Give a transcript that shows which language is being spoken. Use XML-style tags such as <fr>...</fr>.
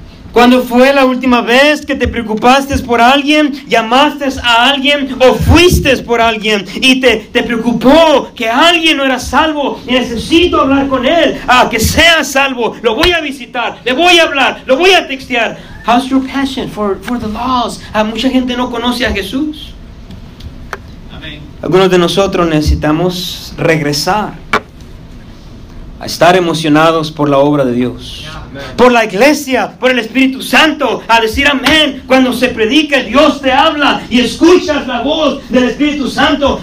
<es>¿Cuándo fue la última vez que te preocupaste por alguien, llamaste a alguien o fuiste por alguien y te preocupó que alguien no era salvo? Necesito hablar con él, que sea salvo. Lo voy a visitar, le voy a hablar, lo voy a textear.</es> <en>How's your passion for the lost?</en> <es>Mucha gente no conoce a Jesús. Algunos de nosotros necesitamos regresar a estar emocionados por la obra de Dios. Amen. Por la iglesia, por el Espíritu Santo, a decir amén. Cuando se predica, Dios te habla y escuchas la voz del Espíritu Santo.</es>